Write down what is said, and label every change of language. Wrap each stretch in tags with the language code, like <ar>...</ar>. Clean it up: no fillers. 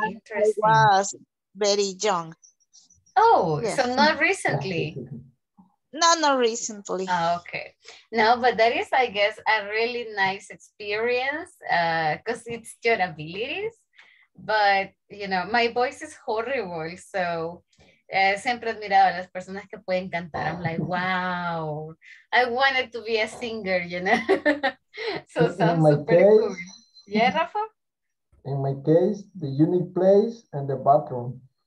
<en>interesting. I was very young. Oh, yes. So not recently? No, not recently. Oh, okay. No, but that is, I guess, a really nice experience because it's your abilities. But, you know, my voice is horrible.</en> <es>So, siempre admirado a las personas que pueden cantar.</es> <en>I'm like, wow. I wanted to be a singer, you know. So, sounds super cool. Yeah, Rafa? In my case, the unique place and the bathroom.</en>